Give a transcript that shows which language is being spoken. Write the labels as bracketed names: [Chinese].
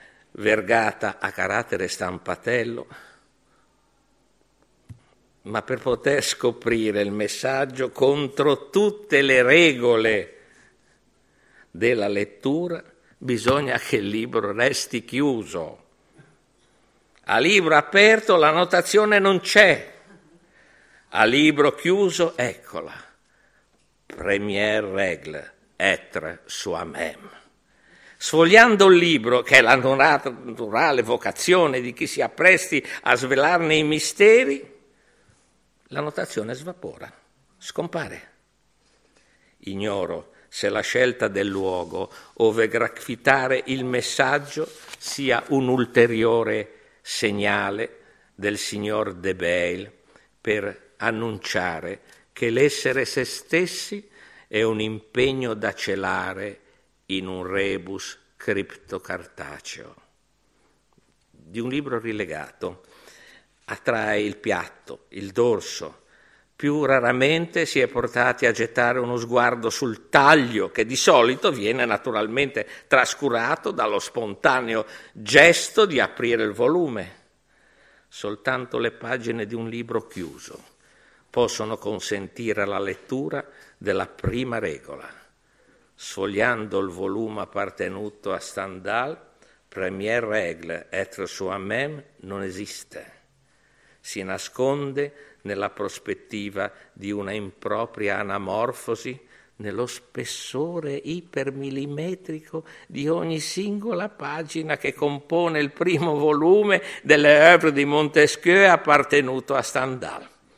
[Italian] Vergata a carattere stampatello, ma per poter scoprire il messaggio contro tutte le regole della lettura, bisogna che il libro resti chiuso. A libro aperto la notazione non c'è. A libro chiuso, eccola. [French] Première règle, être soi-même. [Italian] Sfogliando il libro, che è la naturale vocazione di chi si appresti a svelarne i misteri, la notazione svapora, scompare. Ignoro se la scelta del luogo ove graffitare il messaggio sia un ulteriore segnale del signor De Bayle per annunciare che l'essere se stessi è un impegno da celare in un rebus criptocartaceo. Di un libro rilegato attrae il piatto, il dorso. Più raramente si è portati a gettare uno sguardo sul taglio, che di solito viene naturalmente trascurato dallo spontaneo gesto di aprire il volume. Soltanto le pagine di un libro chiuso possono consentire la lettura della prima regola. Sfogliando il volume appartenuto a Stendhal, [French] première règle, être soi-même, [Italian] non esiste. Si nasconde nella prospettiva di una impropria anamorfosi, nello spessore ipermillimetrico di ogni singola pagina che compone il primo volume delle œuvre di Montesquieu appartenuto a Stendhal.